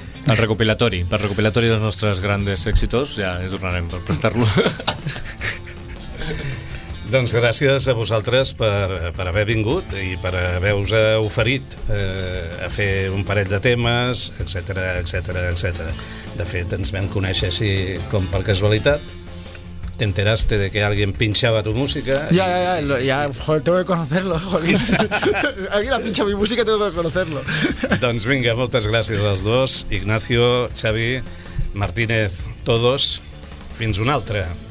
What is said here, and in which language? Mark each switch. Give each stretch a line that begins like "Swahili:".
Catalan: El recopilatori, per recopilatori dels nostres grandes èxitos, ja hi tornarem per prestar-lo. Doncs gràcies a vosaltres per haver vingut i per haver-vos oferit a fer un parell de temes, etc, etc, etc. De fet, ens vam conèixer així com per casualitat.
Spanish: Te enteraste de que alguien pinchaba tu música. Ya, joder, tengo que conocerlo, joder. Alguien ha pinchado mi música, tengo que conocerlo.
Catalan: Doncs vinga, moltes gràcies als dos, Ignacio, Xavi, Martínez, todos. Fins una altra.